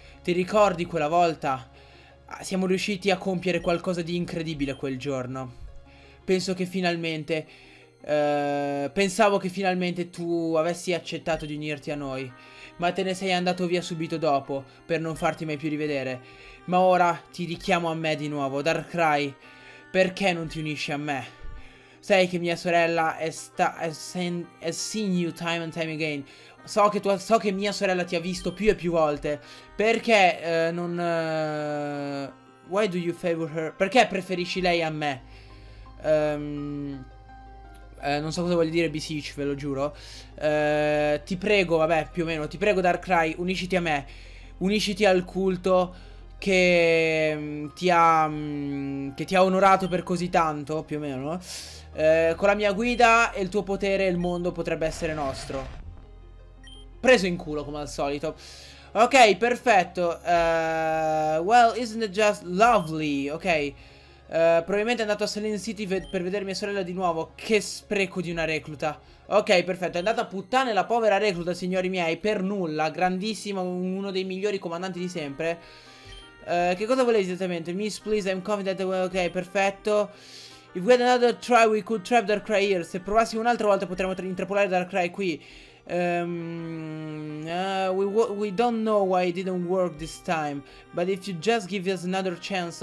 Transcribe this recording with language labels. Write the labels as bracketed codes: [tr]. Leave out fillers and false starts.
[it] Ti ricordi quella volta? Siamo riusciti a compiere qualcosa di incredibile quel giorno. Penso che finalmente... pensavo che finalmente tu avessi accettato di unirti a noi, ma te ne sei andato via subito dopo per non farti mai più rivedere. Ma ora ti richiamo a me di nuovo, Darkrai. Perché non ti unisci a me? Sai che mia sorella [en] has seen you time and time again. [it] So che mia sorella ti ha visto più e più volte. Perché non... [en] why do you favor her? [it] Perché preferisci lei a me? Non so cosa voglio dire Beseech, ve lo giuro. Ti prego, vabbè, più o meno. Ti prego, Darkrai, unisciti a me. Unisciti al culto che ti ha onorato per così tanto, più o meno. Con la mia guida e il tuo potere il mondo potrebbe essere nostro. Preso in culo, come al solito. Ok, perfetto. [en] Well, isn't it just lovely? Ok. [it] Probabilmente è andato a Silent City per vedere mia sorella di nuovo. Che spreco di una recluta. Ok, perfetto. È andata a puttane la povera recluta, signori miei. Per nulla. Grandissimo, uno dei migliori comandanti di sempre. Che cosa volete esattamente? [en] Miss, please, I'm confident. [it] Ok, perfetto. [en] If we had another try, we could trap Darkrai here. [it] Se provassimo un'altra volta, potremmo intrappolare Darkrai qui. [en] We don't know why it didn't work this time, but if you just give us another chance.